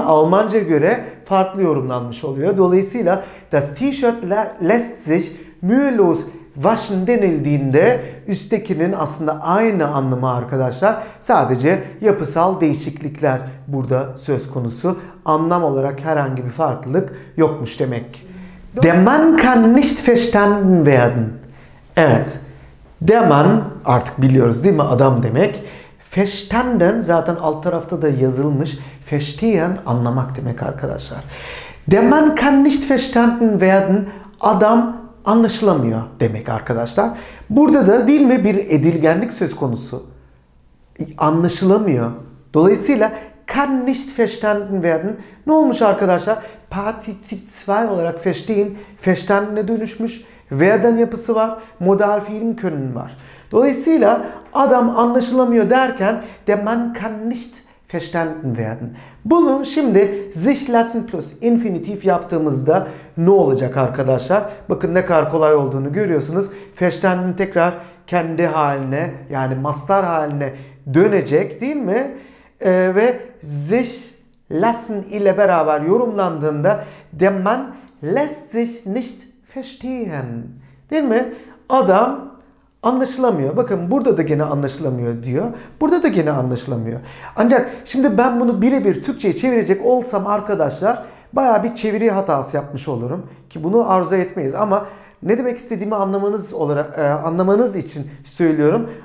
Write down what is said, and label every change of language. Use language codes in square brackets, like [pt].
[tr] Almanca göre farklı yorumlanmış oluyor. Dolayısıyla [de] das T-shirt lässt sich mühelos waschen [tr] denildiğinde üsttekinin aslında aynı anlamı arkadaşlar. Sadece yapısal değişiklikler burada söz konusu. Anlam olarak herhangi bir farklılık yokmuş demek. [de] Der Mann kann nicht verstanden werden. [tr] Evet. Der Mann artık biliyoruz değil mi? Adam demek. Verstanden zaten alt tarafta da yazılmış. Verstehen anlamak demek arkadaşlar. [de] Der Mann kann nicht verstanden werden. [tr] Adam anlaşılamıyor demek arkadaşlar. Burada da değil mi bir edilgenlik söz konusu. Anlaşılamıyor. [de] Dolayısıyla kann nicht verstanden werden. [tr] Ne olmuş arkadaşlar? Partizip 2 olarak verstehen, verstanden'e dönüşmüş. Werden yapısı var. Modal fiilin könünün var. Dolayısıyla adam anlaşılamıyor derken [de] der Mann kann nicht verstanden werden. [tr] Bunu şimdi sich lassen plus infinitif yaptığımızda ne olacak arkadaşlar? Bakın ne kadar kolay olduğunu görüyorsunuz. Verstanden tekrar kendi haline, yani mastar haline dönecek değil mi? [de] Ve sich lassen [tr] ile beraber yorumlandığında [de] der Mann lässt sich nicht verstehen. [tr] Değil mi? Adam anlaşılamıyor. Bakın burada da gene anlaşılamıyor diyor. Burada da gene anlaşılamıyor. Ancak şimdi ben bunu birebir Türkçe'ye çevirecek olsam arkadaşlar bayağı bir çeviri hatası yapmış olurum. Ki bunu arzu etmeyiz ama ne demek istediğimi anlamanız olarak anlamanız için söylüyorum.